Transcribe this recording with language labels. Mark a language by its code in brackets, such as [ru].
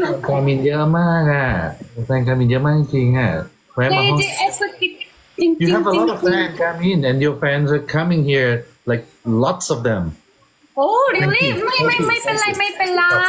[th] ครับคอมเมนต์เยอะมากอ่ะแฟนคอมเมนต์เยอะมากจริงอ่ะแฟนมา ห้อง จริง [en] You have a lot of fans coming and your fans are coming here like lots of them [th] โอ้เดี๋ยวนี้ไม่เป็นไรไม่เป็นไร